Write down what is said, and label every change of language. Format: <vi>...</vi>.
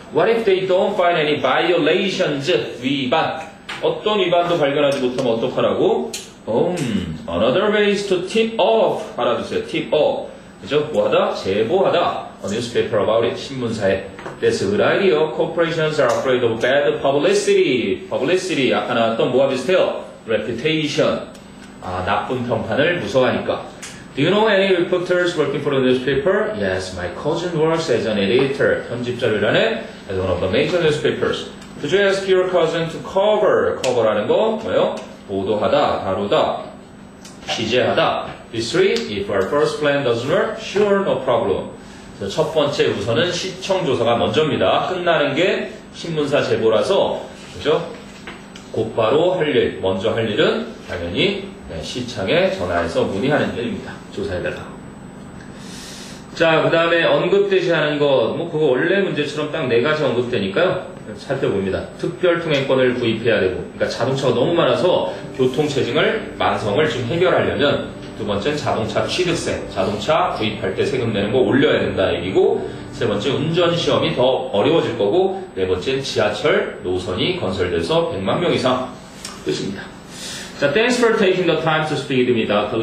<en>What if they don't find any violations, 위반?</en> <ko>어떤 위반도 발견하지 못하면 어떡하라고?</ko> <en>Another way is to tip off.</en> <ko>알아두세요.</ko> <en>Tip off.</en> <ko>그죠? 뭐하다? 제보하다.</ko> <en>A newspaper about it.</en> <ko>신문사에.</ko> <en>That's a good idea. Corporations are afraid of bad publicity. Publicity.</en> <ko>아까 나왔던 뭐가 비슷해요?</ko> <en>Reputation.</en> <ko>아, 나쁜 평판을 무서워하니까.</ko> <en>Do you know any reporters working for a newspaper? Yes, my cousin works as an editor.</en> <ko>편집자를 하네.</ko> <en>As one of the major newspapers. Could you ask your cousin to cover? Cover라는 거 뭐예요? 보도하다, 다루다, 취재하다. These three, if our first plan doesn't work, sure, no problem.</en> <ko>첫 번째 우선은 시청조사가 먼저입니다. 끝나는 게 신문사 제보라서, 그죠? 곧바로 할 일, 먼저 할 일은 당연히 네, 시청에 전화해서 문의하는 일입니다. 조사해달라고. 자, 그 다음에 언급되지 않은 것, 뭐 그거 원래 문제처럼 딱 네 가지 언급되니까요. 살펴봅니다. 특별통행권을 구입해야 되고, 그러니까 자동차가 너무 많아서 교통체증을, 만성을 지금 해결하려면 두 번째는 자동차 취득세, 자동차 구입할 때 세금 내는 거 올려야 된다 얘기고 세 번째 운전시험이 더 어려워질 거고 네 번째는 지하철 노선이 건설돼서 100만 명 이상 뜻입니다.</ko> <en>자, thanks for taking the time to speak with me, Dr.</en>